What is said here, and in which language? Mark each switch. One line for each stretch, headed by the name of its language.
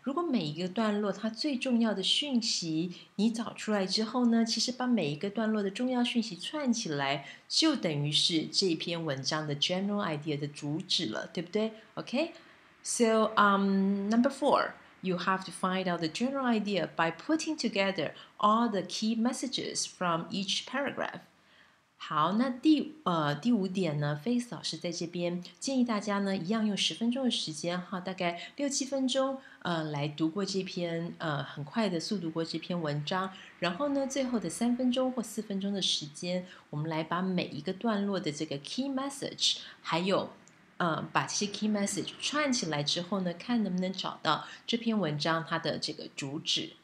Chinese: 如果每一个段落它最重要的讯息你找出来之后呢，其实把每一个段落的重要讯息串起来，就等于是这篇文章的 general idea 的主旨了，对不对？
English: OK, so number four, you have to find out the general idea by putting together all the key messages from each paragraph.
Chinese: 好，那第五点呢 ，Face 老师在这边建议大家呢，一样用十分钟的时间，哈，大概六七分钟，来读过这篇，很快的速读过这篇文章，然后呢，最后的三分钟或四分钟的时间，我们来把每一个段落的这个 key message， 还有把这些 key message 串起来之后呢，看能不能找到这篇文章它的这个主旨。